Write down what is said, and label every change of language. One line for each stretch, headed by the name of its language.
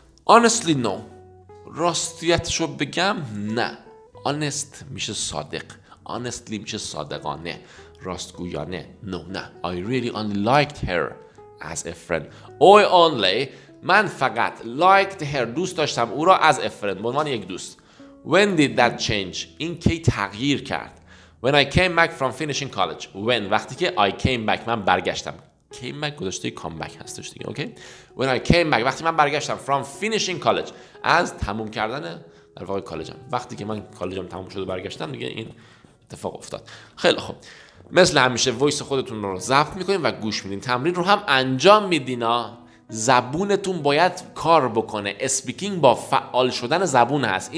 English: honestly no
Persian: راستیتشو بگم نه
English: honest
Persian: میشه صادق
English: honestly
Persian: میشه صادقانه راستگویانه
English: no
Persian: نه
English: I really only liked her as a friend I only
Persian: من فقط
English: liked her
Persian: دوست داشتم او را
English: as a friend
Persian: به عنوان یک دوست
English: when did that change
Persian: این کی تغییر کرد
English: When I came back from finishing college. When
Persian: وقتی که
English: I came back
Persian: من برگشتم.
English: Came back
Persian: گذشته
English: come back
Persian: هستش دیگه.
English: Okay? When I came back
Persian: وقتی من برگشتم
English: from finishing college.
Persian: از تموم کردن در واقع کالجم. وقتی که من کالجم تموم شد و برگشتم دیگه این اتفاق افتاد. خیلی خوب. مثل همیشه وایس خودتون رو ضبط می‌کنین و گوش میدین. تمرین رو هم انجام میدین ها. زبونتون باید کار بکنه. اسپیکینگ با فعال شدن زبون هست.